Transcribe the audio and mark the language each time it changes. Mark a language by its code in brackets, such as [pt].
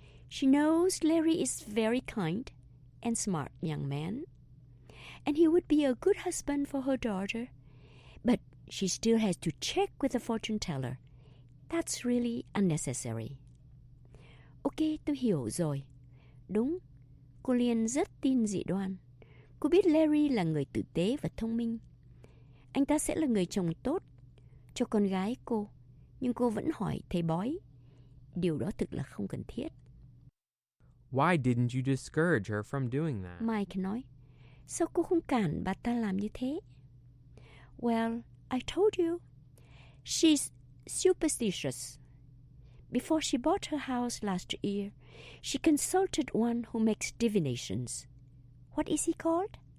[en] She knows Larry is very kind and smart young man. And he would be a good husband for her daughter. But she still has to check with the fortune teller. That's really unnecessary. Ok, [vi] tôi hiểu rồi. Đúng, cô Liên rất tin dị đoan. Cô biết Larry là người tử tế và thông minh. Anh ta sẽ là người chồng tốt cho con gái cô. Nhưng cô vẫn hỏi thầy bói. Điều đó thực là không cần thiết. [en] Why didn't you discourage her from doing that? [vi] Mike nói, sao cô không cản bà ta làm như thế? [en] Well, I told you. She's superstitious. Before she bought her house last year, she consulted one who makes divinations. What is he called?